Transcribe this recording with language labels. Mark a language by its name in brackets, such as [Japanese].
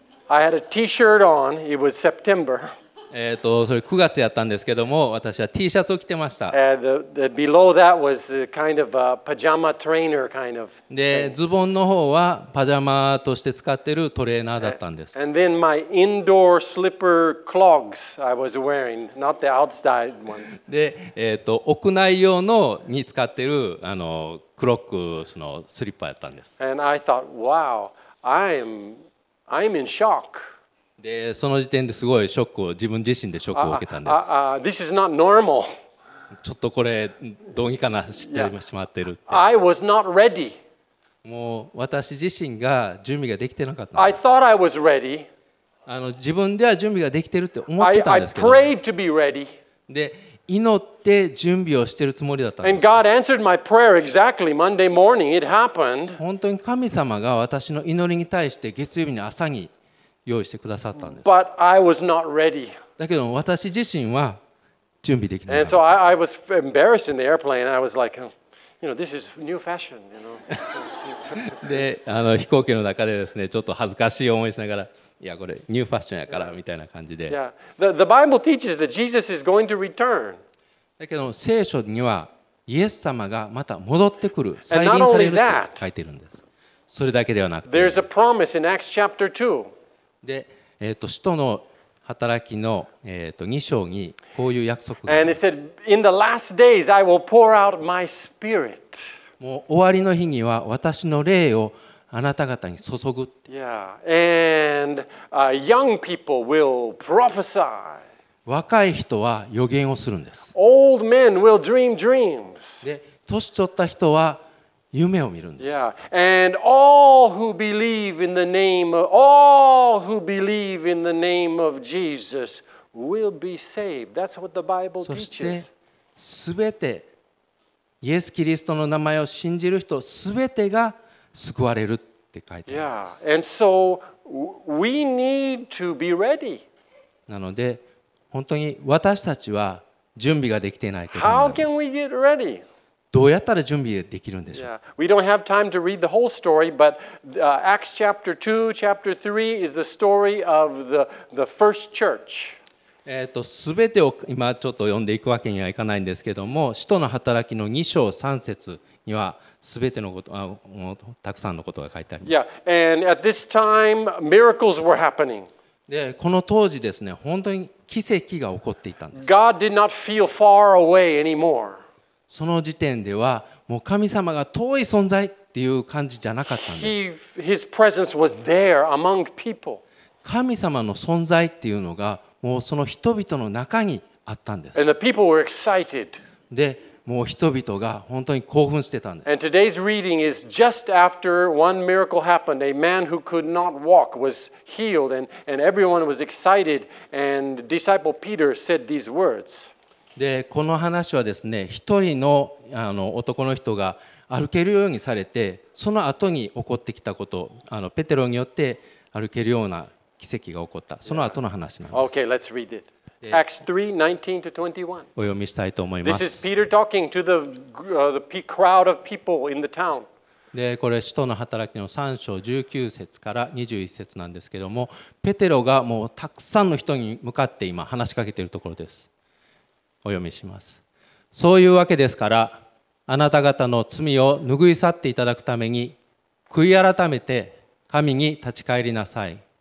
[English] I had a T-shirt on. It was September. [Japanese] それ9月やったんですけども、私は T シャツを着てました。 [English] Below that was kind of a pajama trainer kind of thing. [Japanese] で、ズボンの方はパジャマとして使ってるトレーナーだったんです。 [English] And then my indoor slipper clogs I was wearing, not the outside ones. [Japanese] で、屋内用のに使ってるあのクロックスのスリッパやったんです。 [English] And I thought, wow, I'm in shock. [Japanese] でその時点ですごいショックを自分自身でショックを受けたんです。 [English] This is not normal. [Japanese] ちょっとこれどうにかなしてしまってるって。 [English] Yeah. I was not ready. [Japanese] もう私自身が準備ができてなかったんです。 [English] I thought I was ready. [Japanese] 自分では準備ができてるって思ってたんですけど。 [English] I prayed to be ready. [Japanese] で祈って準備をしてるつもりだったんです。 [English] And God answered my prayer exactly Monday morning. It happened. [Japanese] 本当に神様が私の祈りに対して月曜日の朝に用意してくださったんです。 [English] But I was not ready. [Japanese] だけど私自身は準備できない。 [English] And so I was embarrassed in the airplane. I was like, you know, this is new fashion, you know. [Japanese] で、飛行機の中でですね、ちょっと恥ずかしい思いしながら、いやこれニューファッションやからみたいな感じで。 [English] Yeah. The Bible teaches that Jesus is going to return. [Japanese] だけど聖書にはイエス様がまた戻ってくる、再臨されると書いてるんです。それだけではなくて、 [English] There's a promise in Acts chapter 2. [Japanese] で、使徒の働きの、2章にこういう約束があります。 [English] And it said, "In the last days, I will pour out my spirit." [Japanese] もう終わりの日には私の霊をあなた方に注ぐ。 [English] Yeah, and young people will prophesy. [Japanese] 若い人は予言をするんです。 [English] Old men will dream dreams. [Japanese] で、年取った人は夢を見るんです。 [English] Yeah, and all who believe in the name of all who believe in the name of Jesus will be saved. That's what the Bible teaches. [Japanese] そしてすべてイエス・キリストの名前を信じる人すべてが救われるって書いてあります。 [English] Yeah, and so we need to be ready. [Japanese] なので本当に私たちは準備ができていないと。 [English] How can we get ready? [Japanese] どうやったら準備できるんでしょう。 [English] Yeah. We don't have time to read the whole story, but Acts chapter 2, chapter 3 is the story of the first church. [Japanese] すべてを今ちょっと読んでいくわけにはいかないんですけども、使徒の働きの2章3節にはすべてのこと、たくさんのことが書いてあります。 [English] Yeah. And at this time, miracles were happening. [Japanese] で、この当時ですね、本当に奇跡が起こっていたんです。 [English] God did not feel far away anymore. [Japanese] その時点ではもう神様が遠い存在っていう感じじゃなかったんです。 [English] His presence was there among people. [Japanese] 神様の存在っていうのがもうその人々の中にあったんです。 [English] And the people were excited. [Japanese] でもう人々が本当に興奮してたんです。 [English] And today's reading is just after one miracle happened. A man who could not walk was healed and everyone was excited and disciple Peter said these words. [Japanese] でこの話はですね、一人 の, 男の人が歩けるようにされて、その後に起こってきたこと、ペテロによって歩けるような奇跡が起こった、その後の話なんです。 [English] Okay, let's read it. Acts 3:19 to 21. [Japanese] お読みしたいと思います。 [English] This is Peter talking to the crowd of people in the town. [Japanese] でこれ使徒の働きの3章19節から21節なんですけども、ペテロがもうたくさんの人に向かって今話しかけているところです。お読みします。そういうわけですから、あなた方の罪を拭い去っていただくために悔い改めて神に立ち返りなさい。